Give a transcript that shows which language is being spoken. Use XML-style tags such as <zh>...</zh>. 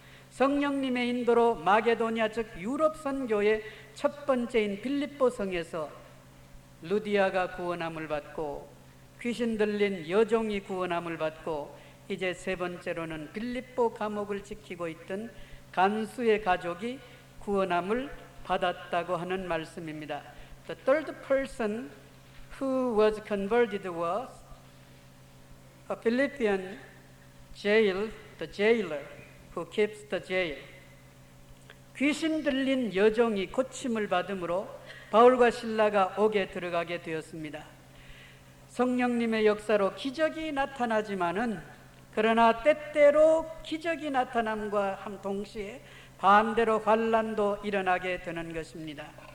<ko>성령님의 인도로 마게도니아 즉 유럽 선교의 첫 번째인 빌립보 성에서 루디아가 구원함을 받고 귀신 들린 여종이 구원함을 받고 이제 세 번째로는 빌립보 감옥을 지키고 있던 간수의 가족이 구원함을 받았다고 하는 말씀입니다.</ko> <en>The third person who was converted was a Philippian jail, the jailer who keeps the jail.</en> <ko>귀신 들린 여종이 고침을 받으므로 바울과 실라가 옥에 들어가게 되었습니다. 성령님의 역사로 기적이 나타나지만은 그러나 때때로 기적이 나타남과 함 동시에 반대로 환란도 일어나게 되는 것입니다.</ko>